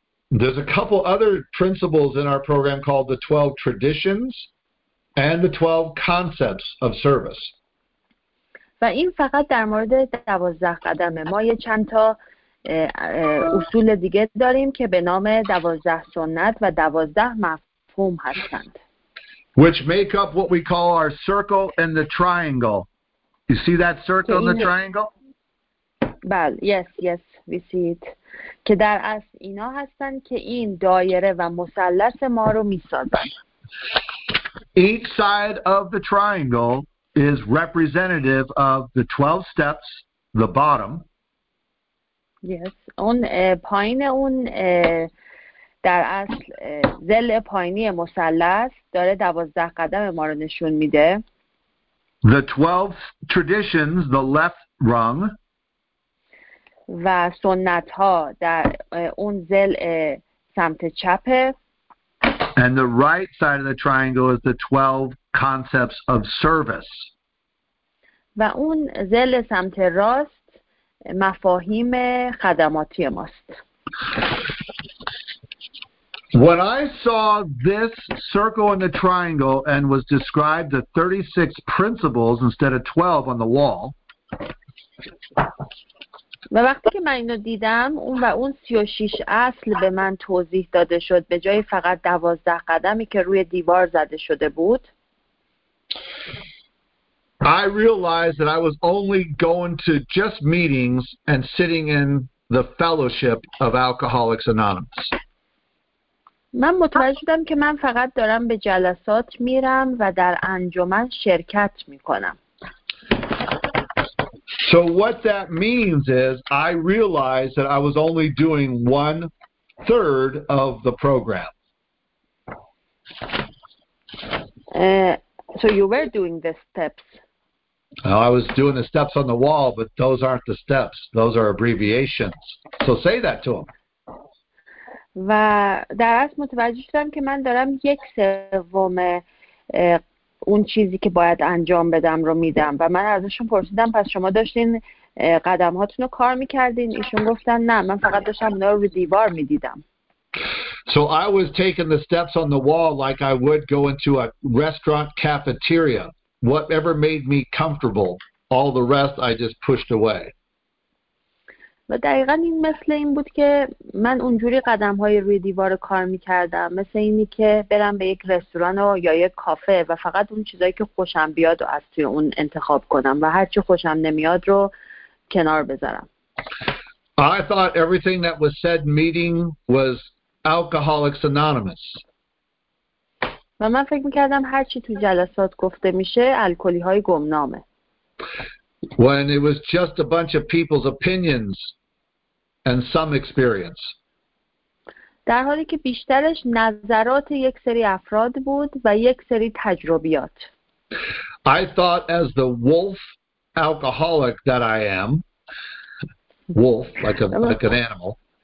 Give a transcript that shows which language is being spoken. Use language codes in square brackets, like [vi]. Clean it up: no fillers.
[en] There's a couple other principles in our program called the 12 traditions and the 12 concepts of service. [fa] و این فقط در مورد 12 قدمه. ما یه چند تا اصول دیگه داریم که به نام 12 سنت و 12 مفهوم هستند. [en] Which make up what we call our circle and the triangle. You see that circle and the triangle? [fa] بله. [en] Yes, yes. We see it. [fa] که در اصل اینا هستن که این دایره و مثلث ما رو می‌سازن. [en] Each side of the triangle is representative of the 12 steps, the bottom. Yes. [fa] اون پایین اون در اصل ضلع پایینی مثلث داره 12 قدم ما رو نشون میده. [en] The 12 traditions, the left rung. [fa] و سنت ها در اون ضلع سمت چپه. [en] And the right side of the triangle is the 12 concepts of service. [fa] و اون ضلع سمت راست مفاهیم خدماتی ماست. [en] When I saw this circle and the triangle and was described the 36 principles instead of 12 on the wall. [fa] و وقتی که من اینو دیدم اون و اون 36 اصل به من توضیح داده شد به جای فقط 12 قدمی که روی دیوار زده شده بود. [en] I realized that I was only going to just meetings and sitting in the fellowship of Alcoholics Anonymous. [fa] من متوجه شدم که من فقط دارم به جلسات میرم و در انجمن شرکت میکنم. [en] So what that means is I realized that I was only doing one third of the program. So you were doing the steps. Well, I was doing the steps on the wall, but those aren't the steps. Those are abbreviations. So say that to them. [fa] و در اصل متوجه شدم که من دارم یک سوم اون چیزی که باید انجام بدم رو میدم و من ازشون پرسیدم پس شما داشتین قدم هاتون رو کار میکردین؟ ایشون گفتن نه من فقط داشتم اونا رو به دیوار میدیدم. [en] So I was taking the steps on the wall like I would go into a restaurant cafeteria. Whatever made me comfortable, all the rest I just pushed away. [fa] و دقیقا این مثل این بود که من اونجوری قدم های روی دیوار کار میکردم، مثل اینی که برم به یک رستوران و یا یک کافه و فقط اون چیزایی که خوشم بیاد و از توی اون انتخاب کنم و هرچی خوشم نمیاد رو کنار بذارم. [en] I thought everything that was said in meeting was Alcoholics Anonymous. [fa] و من فکر میکردم هرچی توی جلسات گفته میشه الکلی های گمنامه. [en] When it was just a bunch of people's opinions and some experience. [fa] در حالی که بیشترش نظرات یک سری افراد بود و یک سری تجربیات. [en] I thought as the wolf alcoholic that I am, wolf like an animal.